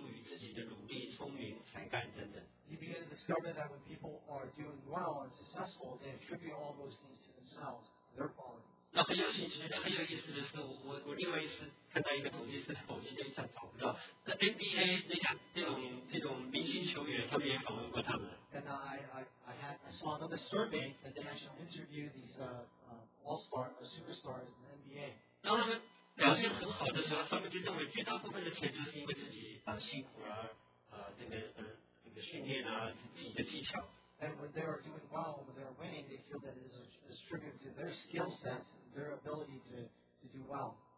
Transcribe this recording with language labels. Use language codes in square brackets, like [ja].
[zh] 然后大概只有32%的人认为是运气。那就是你发现，当人成功的时候，他会把绝大部分的因素归诸于自己的努力、聪明、才干等等。 [en] You begin to discover that when people are doing well and successful, they attribute all those things to themselves, their qualities. [zh] 那很有兴趣，很有意思的是，我另外一次看到一个统计是，我今天一下找不到。那 NBA 那家这种明星球员，他们也访问过他们。 [en] And I saw another survey that they actually interviewed these all-star or superstars in the NBA. [zh] 然后他们表现很好的时候，他们就认为绝大部分的钱就是因为自己训练啊，自己的技巧。 [en] And when they are doing well, when they are winning, they feel that it is attributed to their skill sets, their ability to do well.